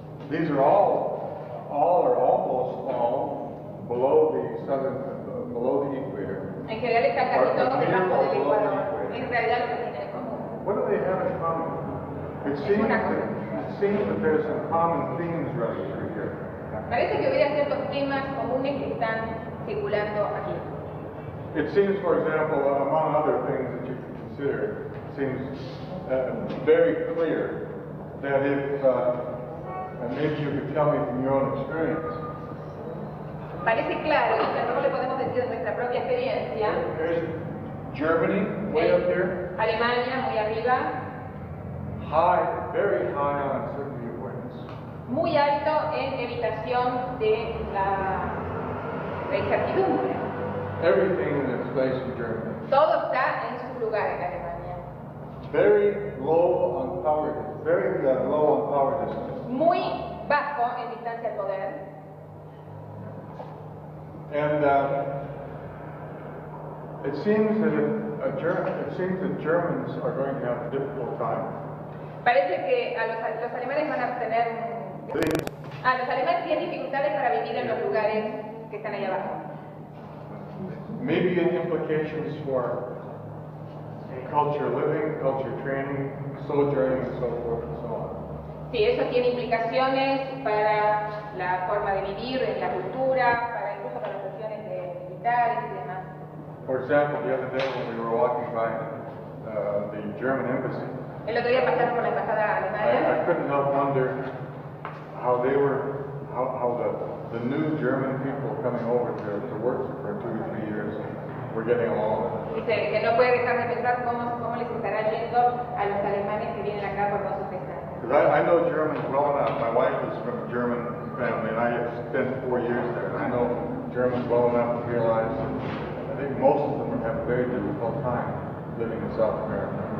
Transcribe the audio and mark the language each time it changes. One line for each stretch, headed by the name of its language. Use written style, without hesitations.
English: These are all or almost all below the southern, below the equator.
Spanish: En general, están casi todos debajo del equador.
English: What do they have in common? It seems that there are some common themes running through here.
Spanish: Parece que hubiera ciertos temas comunes que están circulando aquí.
English: It seems, for example, among other things that you can consider, it seems very clear that and maybe you could tell me from your own experience.
Spanish: Parece claro, y que no le podemos decir de nuestra propia experiencia.
English: There's Germany, way up here.
Spanish: Alemania, muy arriba.
English: High, very high on uncertainty awareness.
Spanish: Muy alto en evitación de la incertidumbre.
English: Everything in its place in Germany.
Spanish: Todo está en su lugar en Alemania.
English: Very low on power. Very low on power distance.
Spanish: Muy bajo en distancia al poder.
English: And it seems that it seems that Germans are going to have a difficult time.
Spanish: Parece que a los alemanes van a tener. Los alemanes tienen dificultades para vivir en los lugares que están ahí abajo.
English: Maybe in implications for culture living, culture training, sojourning, and so forth and so on.
Spanish: Sí, eso tiene implicaciones para la forma de vivir, en la cultura, para incluso para las cuestiones de militares y demás.
English: For example, the other day when we were walking by the German embassy.
Spanish: El otro día pasaron por la embajada alemana.
English: I couldn't help wonder how the new German people coming over to work for 2 or 3 years were getting along.
Spanish: Dice que no puede dejar de pensar cómo les estará yendo a los alemanes que vienen acá por 2 o 3 años.
English: Because I know Germans well enough. My wife is from a German family, and I have spent 4 years there. I know Germans well enough to realize that I think most of them have a very difficult time living in South America.